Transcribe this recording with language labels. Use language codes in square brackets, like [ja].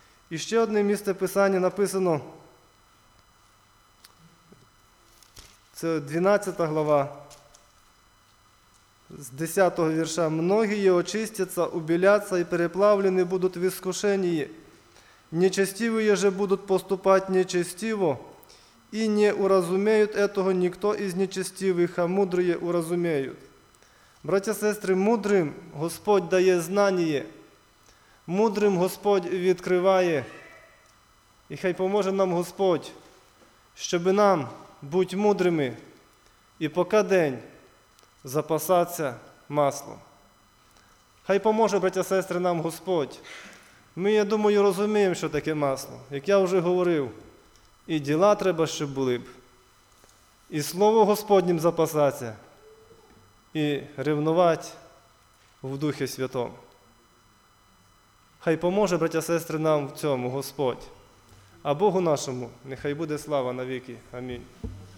[ru] И еще одно место Писания написано, это 12 глава, с 10 верша: «Многие очистятся, убелятся и переплавлены будут в искушении. Нечестивые же будут поступать нечестиво, и не уразумеют этого никто из нечестивых, а мудрые уразумеют». [uk] Братья, сестры, мудрым Господь дає знання, мудрым Господь відкриває. І хай поможе нам Господь, щоб нам бути мудрими і поки день запасатися маслом. Хай поможе, братья, сестри, нам Господь. Ми, я думаю, розуміємо, що таке масло. Як я вже говорив, і діла треба, щоб були б, і Слово Господнім запасатися, і ревнувати в Духі Святому. Хай поможе, братя, сестри, нам в цьому Господь. А Богу нашому нехай буде слава навіки. Амінь.